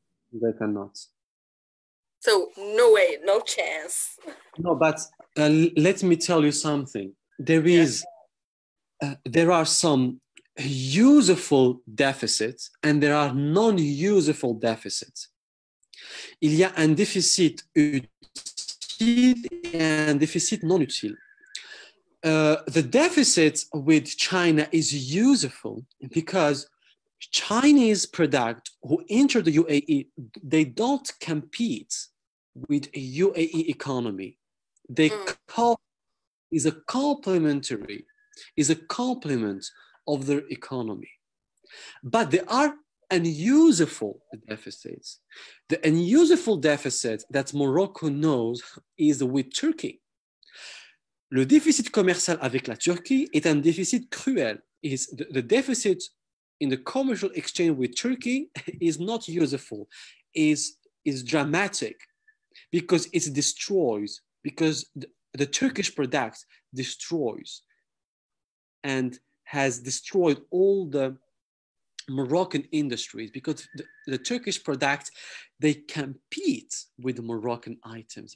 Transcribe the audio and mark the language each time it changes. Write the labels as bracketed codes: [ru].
[en] They cannot. So no way, no chance. No, but let me tell you something. There are some useful deficits and there are non-useful deficits. [fr] Il y a un déficit utile et un déficit non utile. [en] the deficit with China is useful because Chinese product who enter the UAE, they don't compete with UAE economy. They is a complement of their economy. But they are unuseful deficits. The unuseful deficit that Morocco knows is with Turkey. [fr] Le déficit commercial avec la Turquie est un déficit cruel. [en] Is the deficit in the commercial exchange with Turkey is not useful, is dramatic, because it destroys, because the Turkish product destroys and has destroyed all the Moroccan industries, because the Turkish product, they compete with the Moroccan items.